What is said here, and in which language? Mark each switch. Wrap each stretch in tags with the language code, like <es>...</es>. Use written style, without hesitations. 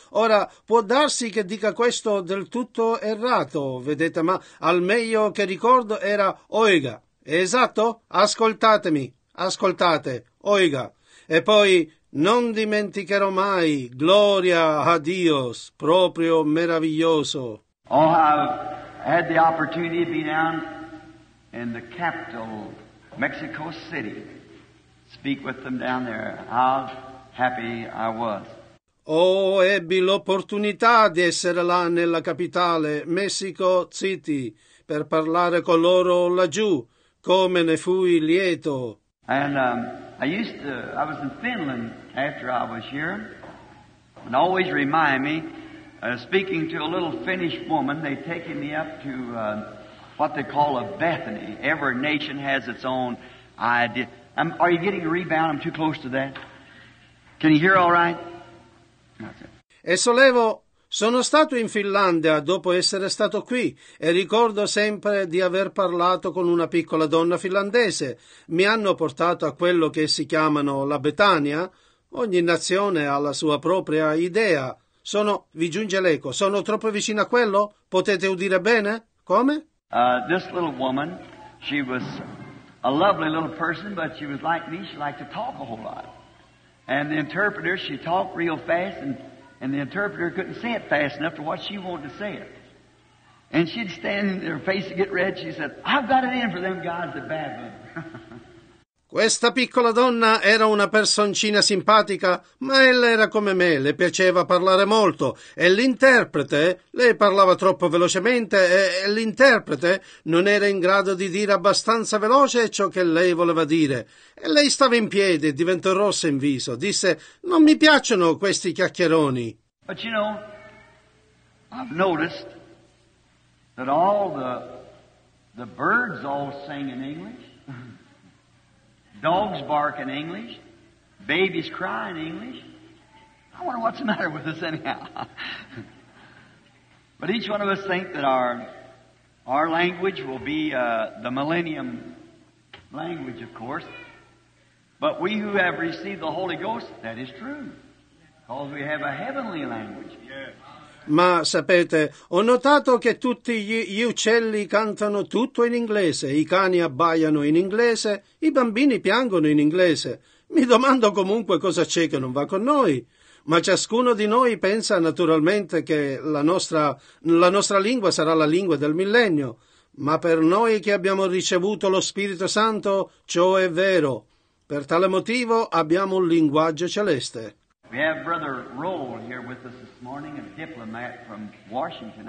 <it>Ora, può darsi che dica questo del tutto errato, vedete, ma al meglio che ricordo era oiga. Esatto? Ascoltatemi. Ascoltate. Oiga. E poi non dimenticherò mai,</it> <es>gloria a Dios,</es> <it>proprio meraviglioso.</it> <en>Oh, I had the opportunity to be down in the capital, Mexico City, speak with them down there. How happy I was.</en> <it>Oh, ebbi l'opportunità di essere là nella capitale, Mexico City, per parlare con loro laggiù. Come ne fui lieto.</it> <en>And I was in Finland after I was here, and always remind me, speaking to a little Finnish woman, they taken me up to what they call a Bethany. Every nation has its own idea. Are you getting a rebound? I'm too close to that. Can you hear all right?</en> <it>E solevo, sono stato in Finlandia dopo essere stato qui e ricordo sempre di aver parlato con una piccola donna finlandese. Mi hanno portato a quello che si chiamano la Betania. Ogni nazione ha la sua propria idea. Sono, vi giunge l'eco, sono troppo vicino a quello? Potete udire bene? Come?</it> <en>This little woman, she was a lovely little person, but she was like me, she liked to talk a whole lot. And the interpreter, she talked real fast, and the interpreter couldn't say it fast enough to what she wanted to say it. And she'd stand in her face to get red, she said, I've got it in for them guys, the bad ones.</en> <it>Questa piccola donna era una personcina simpatica, ma ella era come me, le piaceva parlare molto. E l'interprete, lei parlava troppo velocemente, e l'interprete non era in grado di dire abbastanza veloce ciò che lei voleva dire. E lei stava in piedi, diventò rossa in viso, disse, non mi piacciono questi chiacchieroni.</it> <en>But you know, I've noticed that all the birds all sing in English. Dogs bark in English. Babies cry in English. I wonder what's the matter with us anyhow. But each one of us think that our language will be the millennium language, of course. But we who have received the Holy Ghost, that is true. Because we have a heavenly language.</en> <it>Ma sapete, ho notato che tutti gli uccelli cantano tutto in inglese, i cani abbaiano in inglese, i bambini piangono in inglese. Mi domando comunque cosa c'è che non va con noi. Ma ciascuno di noi pensa naturalmente che la nostra lingua sarà la lingua del millennio. Ma per noi che abbiamo ricevuto lo Spirito Santo, ciò è vero. Per tale motivo abbiamo un linguaggio celeste.</it> <en>We have Brother Roll here with us this morning, a diplomat from Washington.</en>